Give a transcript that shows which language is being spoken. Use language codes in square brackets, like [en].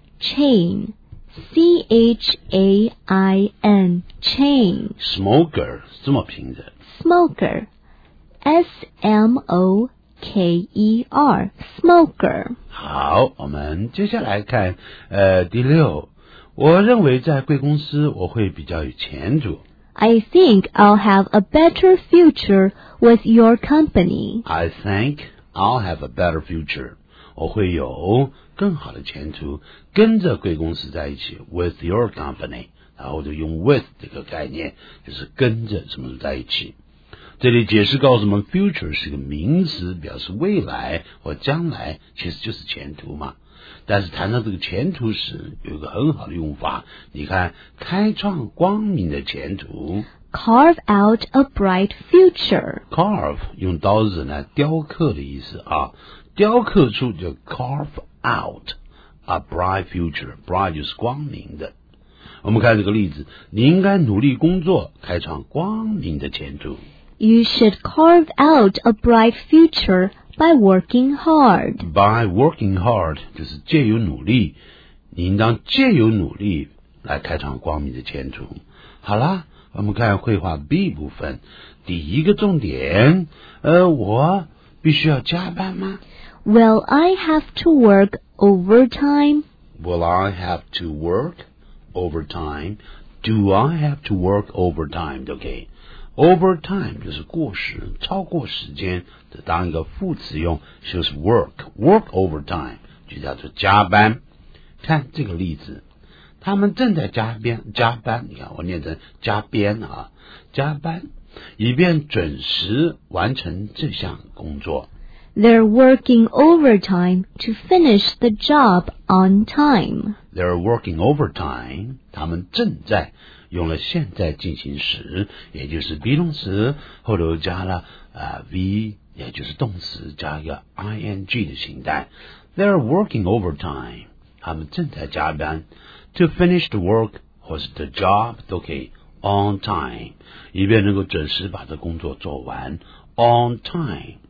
[en] Chain C-H-A-I-N Chain [zh] Smoker 是这么拼的 [en] Smoker S-M-O-K-E-R Smoker [zh] 好，我们接下来看第六，我认为在贵公司我会比较有前途。 [en] I think I'll have a better future with your company. I think I'll have a better future. [zh] 我会有更好的前途跟着贵公司在一起 [en] with your company. [zh] 然后就用 with 这个概念，就是跟着什么在一起。这里解释告诉我们 future 是个名词，表示未来或将来，其实就是前途嘛。但是谈到这个前途时，有一个很好的用法，你看，开创光明的前途 [en] carve out a bright future， [zh] carve 用刀子呢雕刻的意思啊，雕刻出就 [en] carve out a bright future， [zh] bright 就是光明的。我们看这个例子，你应该努力工作开创光明的前途。 [en] You should carve out a bright future by working hard. By working hard, [zh] 就是借由努力，你应当借由努力来开创光明的前途。好啦，我们看绘画 B 部分，第一个重点，我必须要加班吗？ [en] Will I have to work overtime? Will I have to work overtime? Do I have to work overtime? Okay. [zh] Overtime 就是过时，超过时间，这当一个副词用，就是 work overtime 就叫做加班。看这个例子，他们正在加班，你看我念成加班啊，加班，以便准时完成这项工作。 [en] They're working overtime to finish the job on time. They're working overtime. [zh] 他们正在用了现在进行时，也就是 be 动词，后头加了v， 也就是动词加一个 ing 的形态。 [en] They're working overtime. [zh] 他们正在加班 [en] to finish the work [zh] 或是 the job 都可以 on time， 以便能够准时把这工作做完 on time。